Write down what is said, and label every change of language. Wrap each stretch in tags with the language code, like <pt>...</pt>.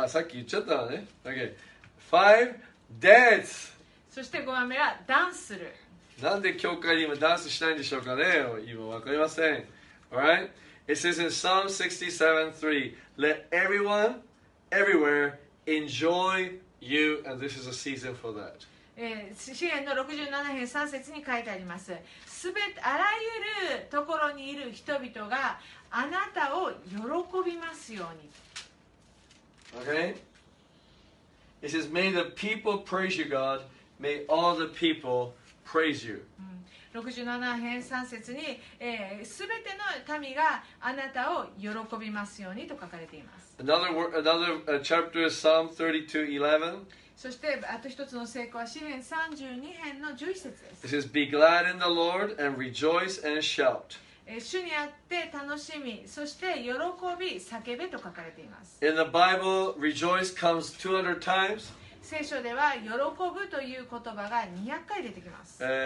<ja>あ、さっき言っちゃったわね。</ja> <en>OK. Five, dance.</en> <ja>そして5番目はダンスする。なんで教会に今ダンスしないんでしょうかね。今わかりません。Alright?</ja> <en>It says in Psalm 67:3, Let everyone, everywhere, enjoy you, and this is a season for that.</en> <ja>詩編の67編3節に書いてあります。すべてあらゆるところにいる人々があなたを喜びますように。</ja> <en>Okay. It says, May the people praise you, God. May all the people praise you.、</en> <ja>67編3節に、すべての民があなたを喜びますようにと書かれています。</ja> <en>Another chapter is Psalm 32:11.</en> <ja>そしてあと一つの聖句は詩編32編の11節です。</ja> <en>It says, Be glad in the Lord and rejoice and shout.</en> <ja>主にあって楽しみ、そして喜び、叫べと書かれています。</ja> <en>In the Bible, rejoice comes 200 times.</en> <ja>聖書では喜ぶという言葉が200回出てきます。</ja>